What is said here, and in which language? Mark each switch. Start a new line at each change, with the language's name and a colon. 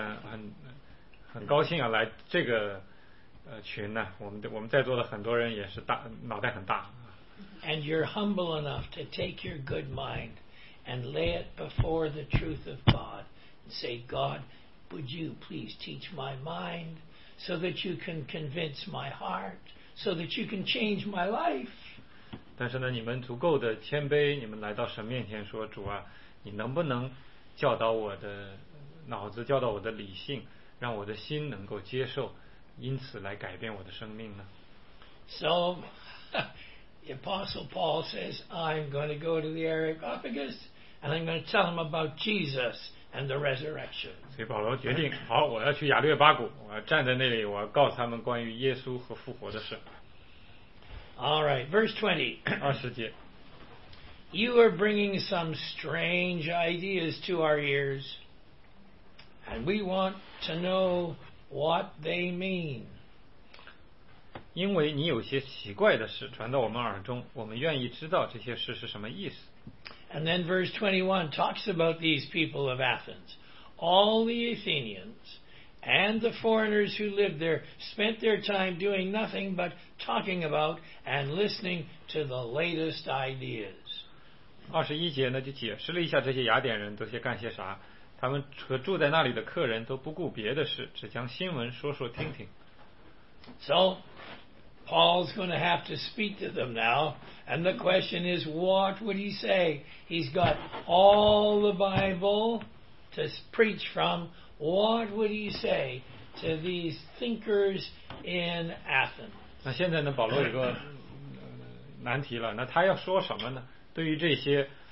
Chinese: 我也很高兴啊，来这个群呢、啊，我们在座的很多人也是大脑袋很大。
English: And you're humble enough to take your good mind and lay it before the truth of God and say, God, would you please teach my mind so that you can convince my heart, so that you can change my life.
Chinese: 但是呢，你们足够的谦卑，你们来到神面前说，主啊，你能不能教导我的脑子，教导我的理性？让我的心能够接受，因此来改变我的生命呢。
English: So, the Apostle Paul says, I'm going to go to the Areopagus and I'm going to tell him about Jesus and the resurrection.
Chinese: 所以保罗决定，好，我要去亚略巴谷，我要站在那里，我要告诉他们关于耶稣和复活的事。
English: All right, verse 20.
Chinese: 二十节。
English: You are bringing some strange ideas to our ears. And we want to know what they mean.
Chinese: 因为你有些奇怪的事传到我们耳中，我们愿意知道这些事是什么意思。
English: And then verse 21 talks about these people of Athens. All the Athenians and the foreigners who lived there spent their time doing nothing but talking about and listening to the latest ideas.
Chinese: 二十一节呢，就解释了一下这些雅典人都些干些啥。他们和住在那里的客人都不顾别的事，只将新闻说说听听。
English: So, Paul's going to have to speak to them now, and the question is, what would he say? He's got all the Bible to preach from. What would he say to these thinkers in Athens?
Chinese: 那现在呢，保罗有个难题了。那他要说什么呢？对于这些。